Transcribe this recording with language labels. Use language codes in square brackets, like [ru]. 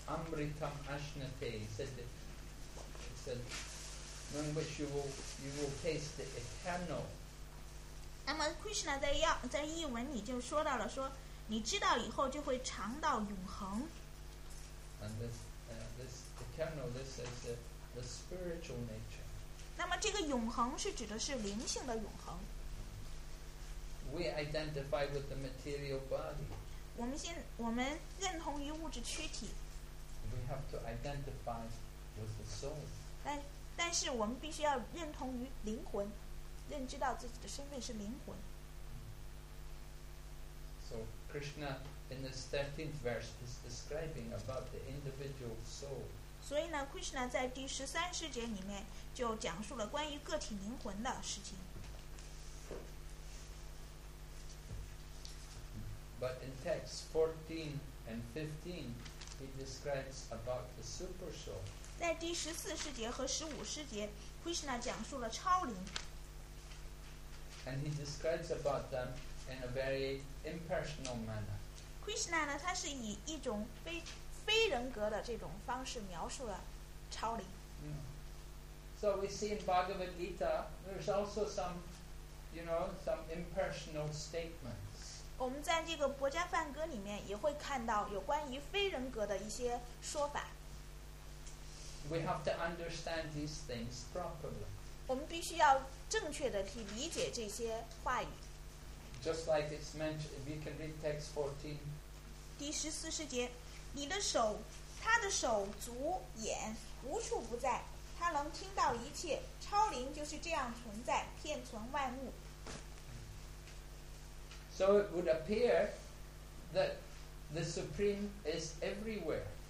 [en] Pritam Ashnate. He said, in which you will taste the eternal. [zh] 那么 Krishna 在译文里就说到了，说你知道以后就会尝到永恒。 [en] And this eternal, this is the spiritual nature. [zh] 那么这个永恒是指的是灵性的永恒。 [en] We identify with the material body. [zh] 我们认同于物质躯体。 [en] We have to identify with the soul. [zh] 但是我们必须要认同于灵魂，认知到自己的身份是灵魂。 [en] So Krishna in this 13th verse is describing about the individual soul. [zh] 所以呢 ，Krishna 在第十三诗节里面就讲述了关于个体灵魂的事情。 [en] But in texts 14 and 15, he describes about the super soul. [zh] 在第十四诗节和十五诗节 ，Krishna 讲述了超灵。 [en] And he describes about them in a very impersonal manner. [zh] Krishna 呢，他是以一种非人格的这种方式描述了超灵。 [en] So we see in Bhagavad Gita, there's also some, you know, some impersonal statements. [zh] 我们在这个《博迦梵歌》里面也会看到有关于非人格的一些说法。 [en] We have to understand these things properly. [zh] 我们必须要正确的去理解这些话语。 [en] Just like it's mentioned, we can read text 14. [zh] 第十四十节，你的手，他的手足眼无处不在，他能听到一切。超灵就是这样存在，遍存万物。 [en] So it would appear that the supreme is everywhere.